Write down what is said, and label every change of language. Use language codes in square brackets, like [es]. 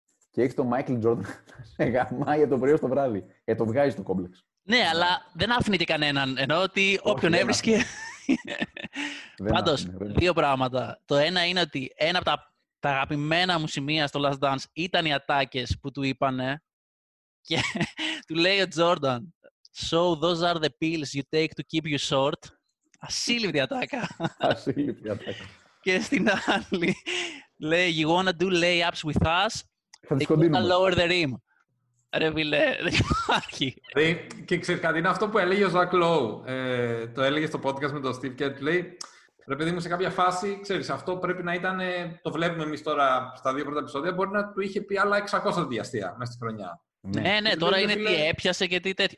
[el] Και έχει τον Μάικλ Τζόρνταν σε γαμάει το πρωί ως το βράδυ. Το βγάζει το κόμπλεξ. Ναι, αλλά δεν άφηνε και κανέναν. Ενώ ότι όποιον έβρισκε. Πάντως, δύο πράγματα. Το ένα είναι ότι ένα από τα αγαπημένα μου σημεία στο Last Dance ήταν οι ατάκες που του είπανε. Και του λέει ο Τζόρνταν, [en] so those are the pills you take to keep you short. [el] Ασύλληπτη ατάκα. Ασύλληπτη ατάκα. Και στην άλλη, λέει, [en] you wanna do layups with us. [el] Θα τις κοντίνουμε. Θα [en] lower the rim. [el] Ρε φίλε, δεν υπάρχει. Και ξέρεις κάτι, είναι αυτό που έλεγε ο Ζακ Λόου. Το έλεγε στο podcast με τον Steve Kerr. Του λέει, ρε παιδί μου, σε κάποια φάση, ξέρεις, αυτό πρέπει να ήταν, το βλέπουμε εμείς τώρα στα δύο πρώτα επεισόδια, μπορεί να του είχε πει άλλα 600 διαστία μέσα στη χρονιά. Ναι, τώρα είναι τι έπιασε και τι τέτοιο.